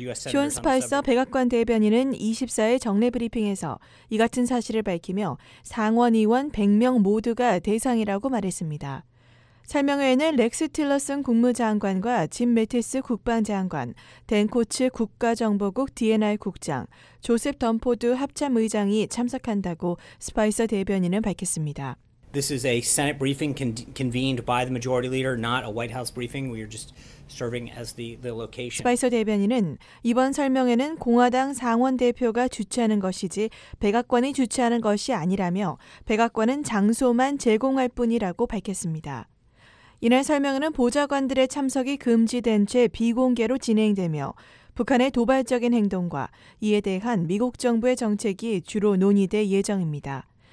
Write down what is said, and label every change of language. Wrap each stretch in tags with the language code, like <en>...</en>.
<ko>존 스파이서 백악관 대변인은 24일 정례 브리핑에서 이 같은 사실을 밝히며 상원의원 100명 모두가 대상이라고 말했습니다. 설명회에는 렉스 틸러슨 국무장관과 짐 매티스 국방장관, 댄 코츠 국가정보국 DNR 국장, 조셉 덤포드 합참의장이 참석한다고 스파이서 대변인은 밝혔습니다.</ko> <en>This is a Senate briefing convened by the majority leader, not a White House briefing. We are just serving as the location.</en> <ko>스파이서 대변인은 이번 설명회는 공화당 상원 대표가 주최하는 것이지 백악관이 주최하는 것이 아니라며 백악관은 장소만 제공할 뿐이라고 밝혔습니다. 이날 설명회는 보좌관들의 참석이 금지된 채 비공개로 진행되며 북한의 도발적인 행동과 이에 대한 미국 정부의 정책이 주로 논의될 예정입니다.</ko>